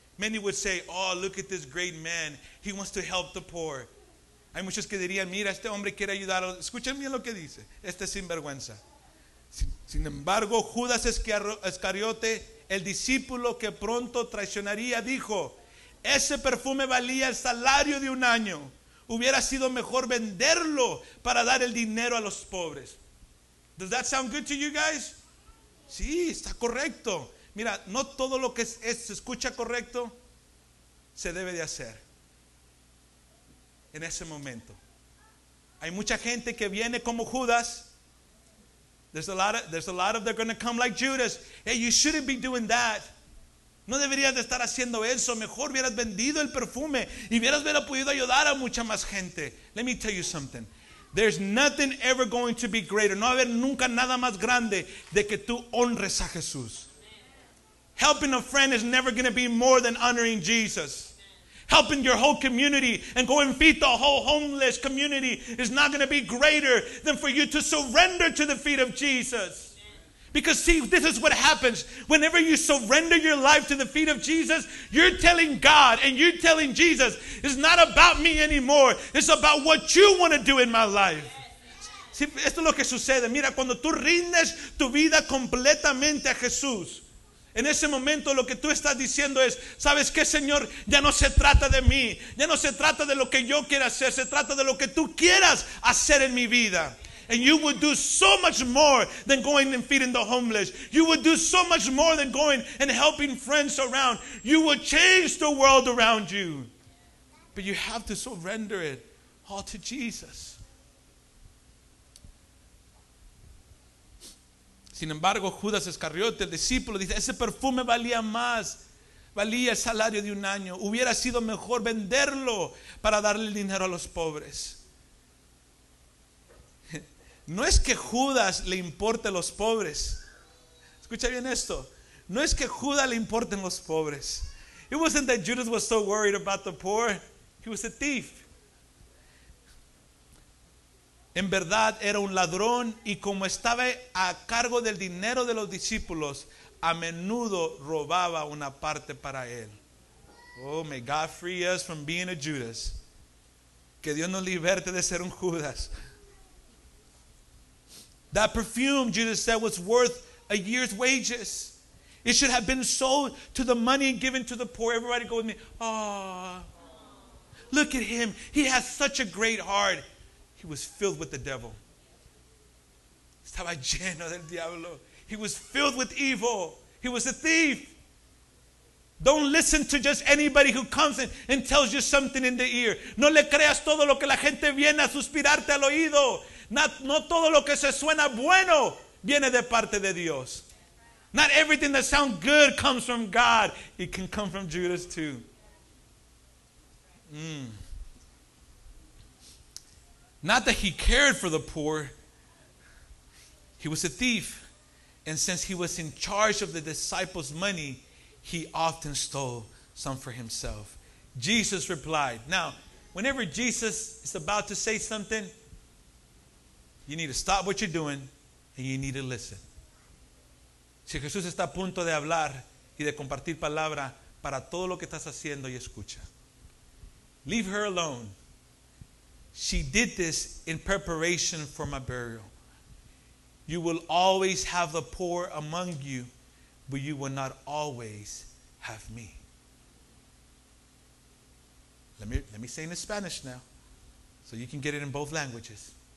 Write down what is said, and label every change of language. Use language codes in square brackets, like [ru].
[en] Many would say, oh, look at this great man. He wants to help the poor. [es] Hay muchos que dirían, mira, este hombre quiere ayudar. Escuchen bien lo que dice. Este es sinvergüenza. Sin embargo, Judas Iscariote, el discípulo que pronto traicionaría, dijo, ese perfume valía el salario de un año. Hubiera sido mejor venderlo para dar el dinero a los pobres. [en] Does that sound good to you guys? [es] Sí, está correcto. Mira, no todo lo que se escucha correcto se debe de hacer en ese momento. Hay mucha gente que viene como Judas. [en] There's a lot of they're going to come like Judas. Hey, you shouldn't be doing that. [es] No deberías de estar haciendo eso. Mejor hubieras vendido el perfume y hubieras podido ayudar a mucha más gente. [en] Let me tell you something. There's nothing ever going to be greater. [es] No va a haber nunca nada más grande de que tú honres a Jesús. [en] Helping a friend is never going to be more than honoring Jesus. Helping your whole community and go and feed the whole homeless community is not going to be greater than for you to surrender to the feet of Jesus. Because see, this is what happens. Whenever you surrender your life to the feet of Jesus, you're telling God and you're telling Jesus, it's not about me anymore. It's about what you want to do in my life. [es] Sí, esto es lo que sucede. Mira, cuando tú rindes tu vida completamente a Jesús, en ese momento lo que tú estás diciendo es, ¿sabes qué, Señor? Ya no se trata de mí. Ya no se trata de lo que yo quiera hacer. Se trata de lo que tú quieras hacer en mi vida. [en] And you would do so much more than going and feeding the homeless. You would do so much more than going and helping friends around. You would change the world around you. But you have to surrender it all to Jesus. [es] Sin embargo, Judas Iscariote, el discípulo, dice, ese perfume valía más. Valía el salario de un año. Hubiera sido mejor venderlo para darle dinero a los pobres. No es que Judas le importe a los pobres. Escucha bien esto. No es que Judas le importen los pobres. [en] It wasn't that Judas was so worried about the poor. He was a thief. [es] En verdad era un ladrón y como estaba a cargo del dinero de los discípulos, a menudo robaba una parte para él. [en] Oh, may God free us from being a Judas. [es] Que Dios nos liberte de ser un Judas. [en] That perfume, Judas said, was worth a year's wages. It should have been sold to the money and given to the poor. Everybody go with me. Oh, look at him. He has such a great heart. He was filled with the devil. [es] Estaba lleno del diablo. [en] He was filled with evil. He was a thief. Don't listen to just anybody who comes in and tells you something in the ear. [es] No le creas todo lo que la gente viene a suspirarte al oído. No todo lo que se suena bueno viene de parte de Dios. [en] Not everything that sounds good comes from God. It can come from Judas too. Not that he cared for the poor. He was a thief. And since he was in charge of the disciples' money, he often stole some for himself. Jesus replied. Now, whenever Jesus is about to say something, you need to stop what you're doing and you need to listen. [es] Si Jesús está a punto de hablar y de compartir palabra para todo lo que estás haciendo y escucha. [en] Leave her alone. She did this in preparation for my burial. You will always have the poor among you, but you will not always have me. Let me say in Spanish now, so you can get it in both languages.